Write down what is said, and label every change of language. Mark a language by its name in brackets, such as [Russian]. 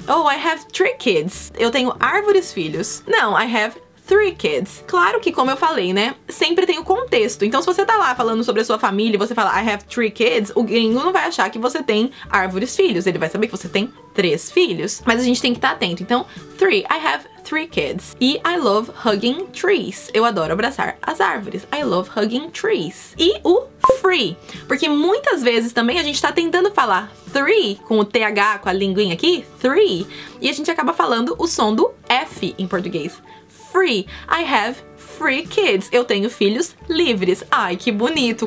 [English] Oh, I have three kids. [Portuguese] Eu tenho árvores filhos. Não, [English] I have three kids. [Portuguese] Claro que, como eu falei, né, sempre tem o contexto. Então, se você tá lá falando sobre a sua família e você fala [English] I have three kids, [Portuguese] o gringo não vai achar que você tem árvores filhos. Ele vai saber que você tem três filhos. Mas a gente tem que estar atento. Então, [English] three, I have three kids. E I love hugging trees. [Portuguese] Eu adoro abraçar as árvores. [English] I love hugging trees. [Portuguese] E o free. Porque muitas vezes também a gente tá tentando falar three com o TH, com a linguinha aqui, three. E a gente acaba falando o som do F em português. [English] Free. I have free kids. [Portuguese] Eu tenho filhos livres. Ai, que bonito.